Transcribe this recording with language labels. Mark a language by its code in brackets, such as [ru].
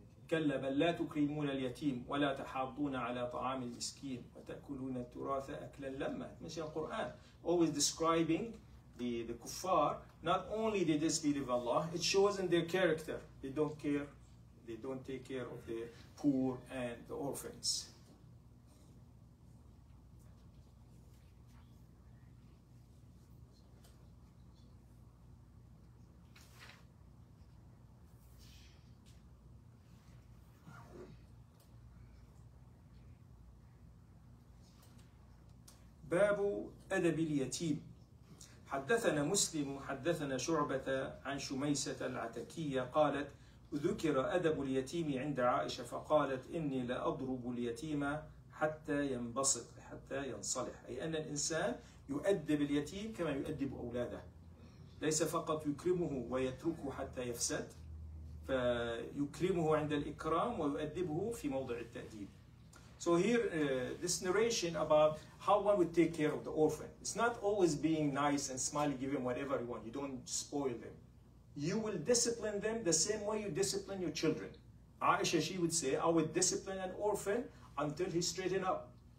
[ar] كلا بل لا تكرمون اليتيم ولا تحاضون على طعام المسكين وتأكلون التراث أكلا لما. مثل القرآن [en] always describing the kuffar. Not only they disbelieve Allah, it shows in their character. They don't care, they don't take care of the poor and the orphans. [ar] باب أدب اليتيم. حدثنا مسلم حدثنا شعبة عن شميسة العتكية قالت: ذكر أدب اليتيم عند عائشة فقالت: إني لأضرب اليتيم حتى ينبسط، حتى ينصلح. أي أن الإنسان يؤدب اليتيم كما يؤدب أولاده، ليس فقط يكرمه ويتركه حتى يفسد، فيكرمه عند الإكرام ويؤدبه في موضع التأديب. [en] So here, this narration about how one would take care of the orphan. It's not always being nice and smiling, give him whatever you want. You don't spoil them. You will discipline them the same way you discipline your children. Aisha, she would say, I would discipline an orphan until he straightened up.